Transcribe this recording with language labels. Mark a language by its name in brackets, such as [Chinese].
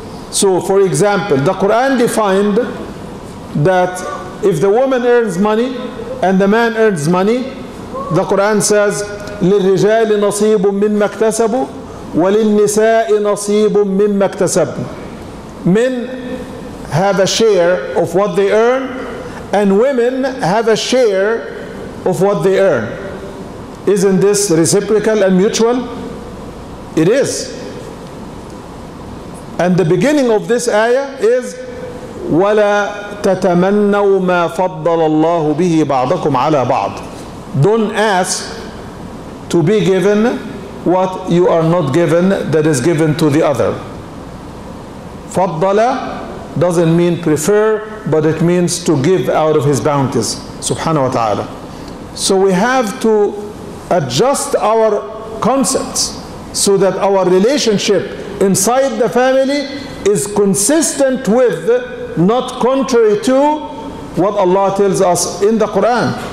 [English] So, for example, the Quran defined that if the woman earns money and the man earns money, the Quran says, [Arabic] لِلْرِجَالِ نَصِيبٌ مِّمَّا اكْتَسَبُوا وَلِلْنِسَاءِ نَصِيبٌ مِّمَّا اكْتَسَبْنَا. [English] men have a share of what they earn and women have a share of what they earn. Isn't this reciprocal and mutual? It is. And the beginning of this ayah is [Arabic] وَلَا تَتَمَنَّوْا مَا فَضَّلَ اللَّهُ بِهِ بَعْضَكُمْ عَلَى بَعْضٍ. [English] Don't ask to be given what you are not given that is given to the other. فَضَّلَ doesn't mean prefer, but it means to give out of his bounties, subhanahu wa ta'ala. So we have to adjust our concepts so that our relationship inside the family is consistent with, not contrary to, what Allah tells us in the Quran.